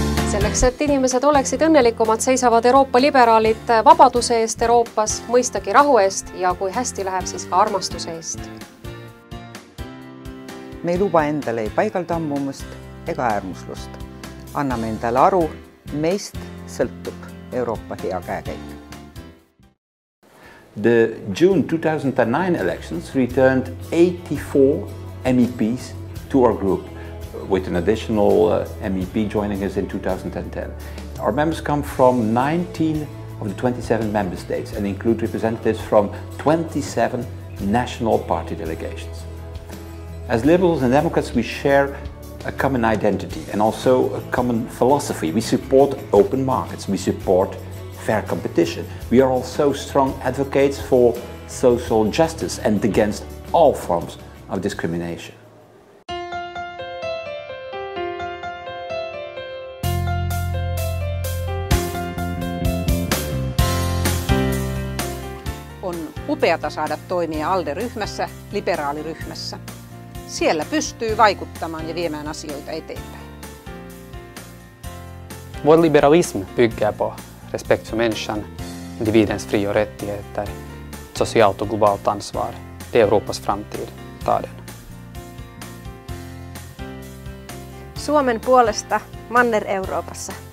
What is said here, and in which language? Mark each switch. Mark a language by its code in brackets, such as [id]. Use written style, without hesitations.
[et] Selleks, et inimesed oleksid õnnelikumad, seisavad Euroopa liberaalid vabaduse eest Euroopas, mõistagi rahu eest ja kui hästi läheb, siis ka armastuse eest. Me ei luba endale ei paigaltammumust ega äärmuslust. Anname endale aru, meist sõltub Euroopa hea käekäik. [en] The June 2009 elections returned 84 MEPs to our group, with an additional MEP joining us in 2010. Our members come from 19 of the 27 member states and include representatives from 27 national party delegations. As Liberals and Democrats, we share a common identity and also a common philosophy. We support open markets, we support fair competition. We are also strong advocates for social justice and against all forms of discrimination. [fi] On upeata saada toimia ALDE-ryhmässä, liberaaliryhmässä. Siellä pystyy vaikuttamaan ja viemään asioita eteenpäin. [sv] Vår liberalism bygger på respekt för människan, individens fri och rättigheter, socialt och globalt ansvar. Det är Europas framtid. Ta den. [fi] Suomen puolesta Manner-Euroopassa.